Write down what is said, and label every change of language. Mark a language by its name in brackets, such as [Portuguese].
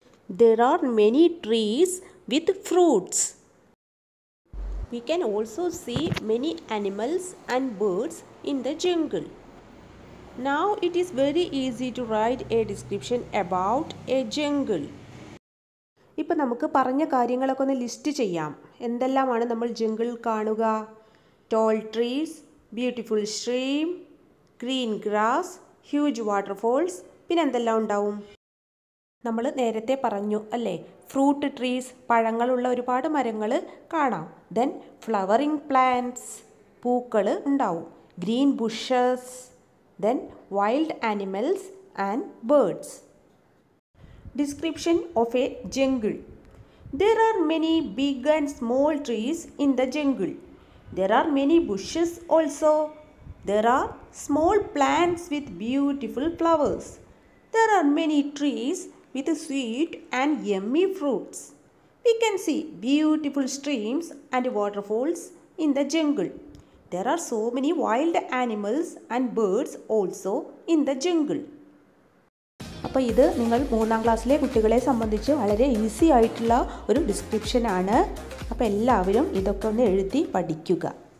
[English] There are many trees with fruits. We can also see many animals and birds in the jungle. Now it is very easy to write a description about a jungle. [Malayalam] ഇപ്പോൾ നമുക്ക് പറഞ്ഞ കാര്യങ്ങളൊക്കെ ഒന്ന് list ചെയ്യാം. എന്തെല്ലാമാണ് നമ്മൾ ജംഗിളിൽ കാണുക? [English] Tall trees, beautiful stream, green grass, huge waterfalls, [Malayalam] പിന്നെ എന്തെല്ലാം ഉണ്ടാവും? നമ്മൾ നേരത്തെ പറഞ്ഞു അല്ലേ, [English] fruit trees, [Malayalam] പഴങ്ങളുള്ള ഒരുപാട് മരങ്ങൾ കാണാം. [English] then flowering plants, [Malayalam] പൂക്കൾ ഉണ്ടാവും. [English] Green bushes, then wild animals and birds. Description of a jungle. There are many big and small trees in the jungle. There are many bushes also. There are small plants with beautiful flowers. There are many trees with sweet and yummy fruits. We can see beautiful streams and waterfalls in the jungle. There are so many wild animals and birds also in the jungle. [Malayalam] അപ്പോൾ ഇത് നിങ്ങൾ മൂന്നാം ക്ലാസ്സിലെ കുട്ടികളെ സംബന്ധിച്ച് വളരെ easy ആയിട്ടുള്ള ഒരു ഡിസ്ക്രിപ്ഷൻ ആണ്. അപ്പോൾ എല്ലാവരും ഇതൊക്കെ ഒന്ന് എഴുതി പഠിക്കുക.